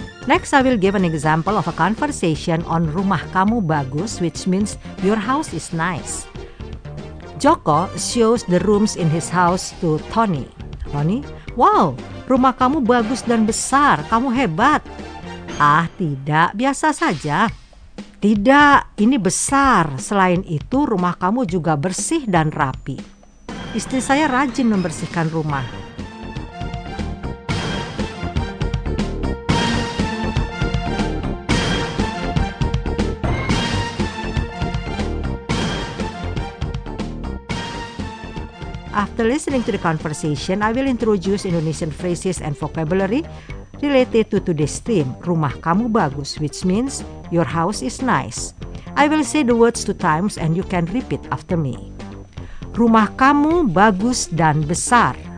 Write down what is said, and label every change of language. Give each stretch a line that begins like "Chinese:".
English: Next, I will give an example of a conversation on
Indonesian: Rumah Kamu Bagus,
English: which means your house is nice. Joko shows the rooms in his house to Tony.
Indonesian: Tony, wow, rumah kamu bagus dan besar, kamu hebat. Ah, tidak, biasa saja. Tidak, ini besar. Selain itu, rumah kamu juga bersih dan rapi. Istri saya rajin membersihkan rumah.
English: After listening to the conversation, I will introduce Indonesian phrases and vocabulary related to today's theme,
Indonesian: Rumah Kamu Bagus,
English: which means your house is nice. I will say the words 2 times and you can repeat after me.
Indonesian: Rumah kamu bagus dan besar.